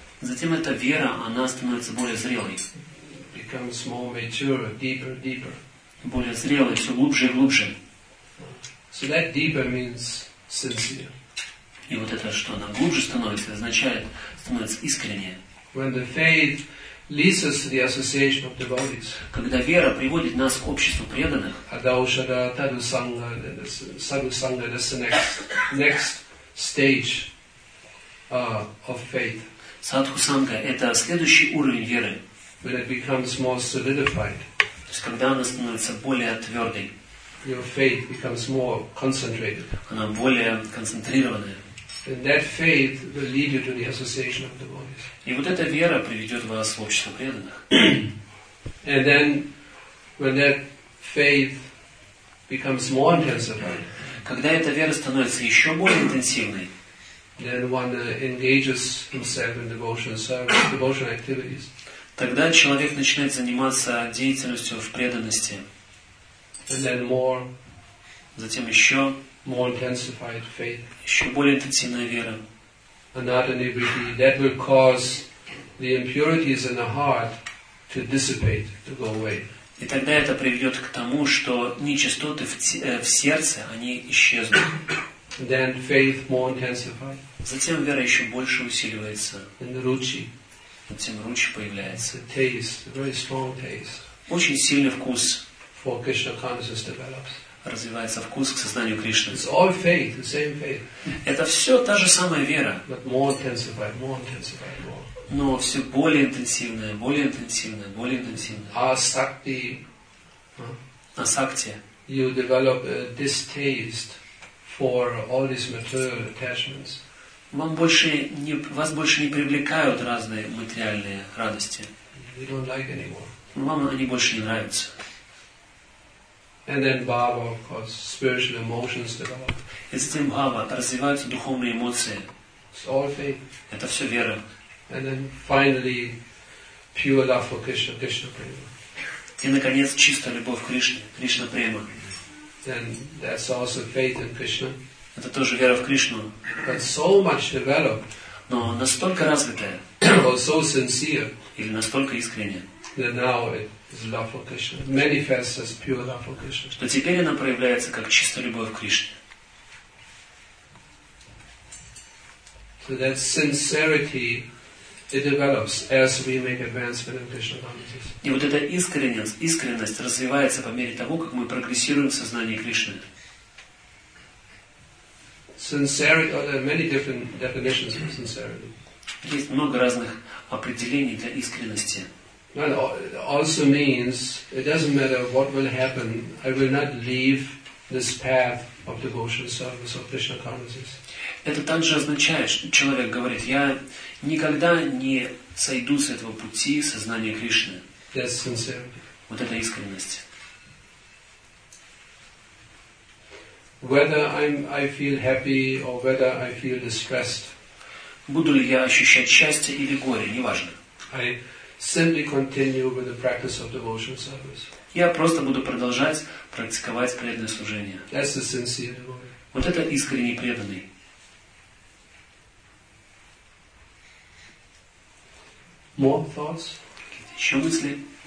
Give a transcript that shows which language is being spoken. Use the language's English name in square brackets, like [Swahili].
[Russian] Затем эта вера, она становится более зрелой. [English] Becomes more mature, deeper, deeper. [Russian] Более зрелой, все глубже и глубже. [English] So that deeper means sincere. [Russian] И вот это, что она глубже становится, означает, становится искреннее. [English] When the faith leads us to the association of devotees. [Russian] Когда вера приводит нас к обществу преданных. [English] Adaushara, tadu sangha, sadhu sangha, that's the next stage of faith. [Russian] Sadhu sangha — это следующий уровень веры. [English] When it becomes more solidified. [Russian] То есть, когда она становится более твердой. [English] Your faith becomes more concentrated. [Russian] Она более концентрированная. [English] And that faith will lead you to the association of devotees. [Russian] И вот эта вера приведет вас в общество преданных. [English] And then, when that faith becomes more intensified, [Russian] когда эта вера становится еще более интенсивной, [English] then one engages himself in devotional service, devotional activities. [Russian] Тогда человек начинает заниматься деятельностью в преданности. [English] And then more, [Russian] затем еще [English] more intensified faith. [Russian] Еще более интенсивная вера. [English] Anatanibriti, that will cause the impurities in the heart to dissipate, to go away. [Russian] И тогда это приведет к тому, что нечистоты в сердце, они исчезнут. [English] Then faith more intensified. [Russian] Затем вера еще больше усиливается. [English] And the ruchi. [Russian] Затем ручи появляется. [English] The taste, a very strong taste. [Russian] Очень сильный вкус. [English] For Krishna consciousness develops. [Russian] Развивается вкус к сознанию Кришны. [English] It's all faith, the same faith. [Russian] Это все та же самая вера. [English] But more intensified, more intensified, more. [Russian] Но все более интенсивное, более интенсивное, более интенсивное. Асакти. Асакти. [English] You develop a distaste for all these material attachments. [Russian] Вам больше не, вас больше не привлекают разные материальные радости. [English] You don't like anymore. [Russian] Вам они больше не нравятся. [English] And then bhava, of course, spiritual emotions develop. [Russian] И затем бхава, развиваются духовные эмоции. [English] It's all faith. [Russian] Это все вера. [English] And then finally, pure love for Krishna, Krishna prema. [Russian] И наконец чистая любовь к Кришне, Кришна према. [English] Then that's also faith in Krishna. [Russian] Это тоже вера в Кришну. [English] But so much developed. [Russian] Но настолько развитая. [English] Or so sincere. [Russian] Или настолько искренняя. [English] That now it is love for Krishna. It manifests as pure love for Krishna. [Russian] Что теперь она проявляется как чистая любовь к Кришне. [English] So that sincerity, it develops as we make advancement in Krishna consciousness. [Russian] И вот эта искренность, искренность развивается по мере того, как мы прогрессируем в сознании Кришны. [English] Sincerity, or there are many different definitions of sincerity. [Russian] Есть много разных определений для искренности. [English] Well, also means it doesn't matter what will happen, I will not leave this path of devotional service of Krishna consciousness. [Russian] Это также означает, что человек говорит, я никогда не сойду с этого пути сознания Кришны. [English] That's sincerity. [Russian] Вот это искренность. [English] Whether I feel happy or whether I feel distressed. [Russian] Буду ли я ощущать счастье или горе, неважно. [English] I simply continue with the practice of devotional service. [Russian] Я просто буду продолжать практиковать преданное служение. [English] That's the sincere devotee. [Russian] Вот это искренний преданный. [English] More thoughts? [Russian] Какие-то еще мысли?